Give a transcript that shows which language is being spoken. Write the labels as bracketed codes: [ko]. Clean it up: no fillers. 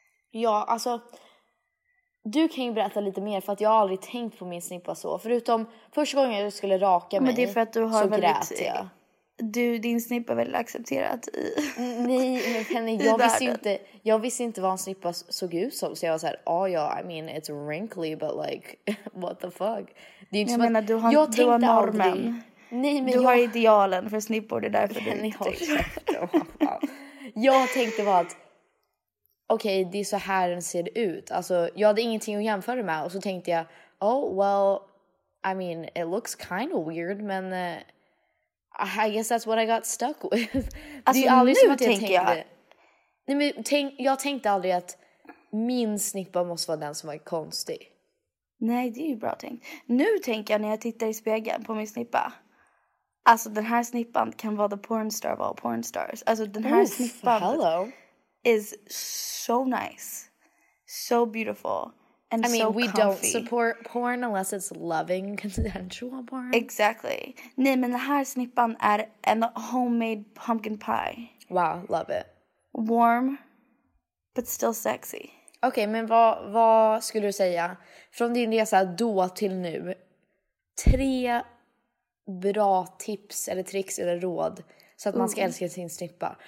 [sv] Ja, alltså... Du kan ju berätta lite mer för att jag har aldrig tänkt på min snippa så. Förutom första gången jag skulle raka mig. Men det är för att du har väldigt... Du, din snippa är väl accepterat i... Nej, men Penny, jag visste inte vad en snippa såg ut som. Så jag var såhär, [en] oh yeah, I mean it's wrinkly but like, what the fuck? [sv] Det är jag menar, du har, jag du har normen. Aldrig, nej, men du har idealen för snippor, det är därför Penny, du inte har käften. Jag tänkte bara att... Okej, okay, det är så här den ser ut. Alltså, jag hade ingenting att jämföra med. Och så tänkte jag, [en] oh, well, I mean, it looks kind of weird. Men I guess that's what I got stuck with. [sv] Alltså, det är aldrig nu som jag tänkte. Nej, men jag tänkte aldrig att min snippa måste vara den som var konstig. Nej, det är ju bra tänkt. Nu tänker jag när jag tittar i spegeln på min snippa. Alltså, den här snippan kan vara [en] the pornstar of all pornstars. [sv] Alltså, den här oof, snippan... [en] Hello. Is so nice, so beautiful, and so comfy. I mean, we don't support porn unless it's loving, consensual porn. Exactly. [sv] Nej, men den här snippan är en [en] homemade pumpkin pie. Wow, love it. Warm, but still sexy. [sv] Okay, men vad skulle du säga? Från din resa då till nu, tre bra tips eller tricks eller råd så att man ska älska sin snippa.